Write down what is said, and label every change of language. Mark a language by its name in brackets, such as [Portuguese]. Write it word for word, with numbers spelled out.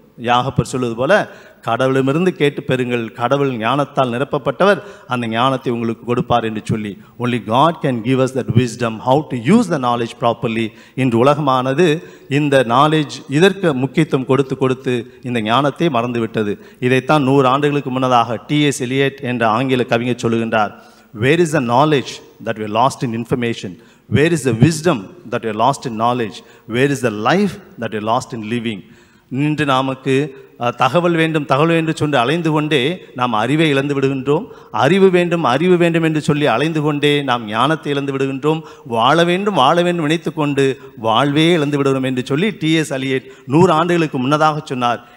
[Tamil] யாகப்பர் சொல்வது போல, கடவுளிடமிருந்து கேட்டு பெறுங்கள், கடவுள் ஞானத்தால் நிரப்பப்பட்டவர், அந்த ஞானத்தை உங்களுக்கு கொடுப்பார் என்று சொல்லி, [English] only God can give us that wisdom how to use the knowledge properly. [Tamil] இன்று உலகமானது இந்த நாலேஜ், இதற்கு முக்கியத்துவம் கொடுத்து கொடுத்து இந்த ஞானத்தை மறந்துவிட்டது. இதைத்தான் நூறு ஆண்டுகளுக்கு முன்னதாக டிஎஸ் எலியட் என்ற ஆங்கில கவிஞர் சொல்லுகின்றார், [English] where is the knowledge that we lost in information? Where is the wisdom that we lost in knowledge? Where is the life that we lost in living? [Tamil] நின்று நமக்கு தகவல் வேண்டும் தகவல் வேண்டும் சொல்லி அலைந்து கொண்டே நாம் அறிவை இழந்து விடுகின்றோம். அறிவு வேண்டும் அறிவு வேண்டும் என்று சொல்லி அலைந்து கொண்டே நாம் ஞானத்தை இழந்து விடுகின்றோம். வாழ வேண்டும் வாழ வேண்டும் நினைத்து கொண்டு வாழ்வே இழந்து விடுகிறோம் என்று சொல்லி டிஎஸ் எலியட் நூறு ஆண்டுகளுக்கு முன்னதாக சொன்னார்.